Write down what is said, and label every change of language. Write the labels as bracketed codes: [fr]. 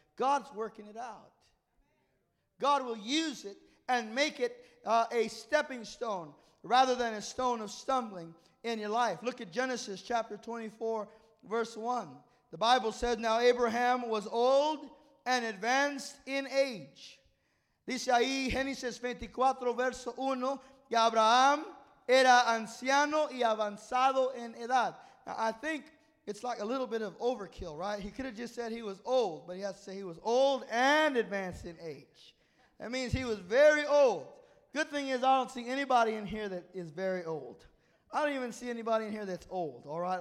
[en] God's working it out. God will use it and make it a stepping stone rather than a stone of stumbling in your life. Look at Genesis chapter 24, verse 1. The Bible says, now Abraham was old and advanced in age. [es] Dice ahí, Génesis 24, verso 1, y Abraham era anciano y avanzado en edad. [en] Now, I think it's like a little bit of overkill, right? He could have just said he was old, but he has to say he was old and advanced in age. That means he was very old. Good thing is I don't see anybody in here that is very old. I don't even see anybody in here that's old, all right?